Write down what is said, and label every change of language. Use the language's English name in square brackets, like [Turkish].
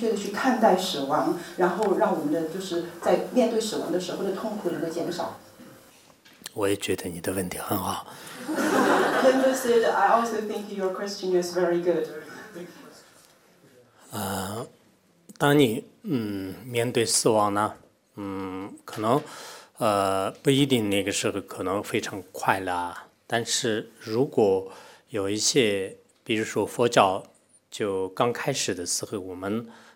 [Chinese] 然后他的问题就是说，从一个佛教的角度，怎样去看待死亡，特别是我们就是说很亲爱的一些人，他们去世，因为虽然我们确实可以像您刚才讲的这样子，就是说去寻找内心的一种幸福和快乐，但是他感觉到就是说，当这个亲人去世的时候，好像这个内心的就是本有的这种快乐，好像就有一个它的一个限制了，就没办法就进行下去了。所以说他想知道说，我们应该怎样子正确的去看待死亡，然后。然后让我们的就是在面对死亡的时候的痛苦能够减少。我也觉得你的问题很好。Khenpo [English] said, I also think your question is very good. [Chinese] 当你面对死亡呢，可能不一定那个时候可能非常快乐，但是如果有一些，比如说佛教就刚开始的时候，我们。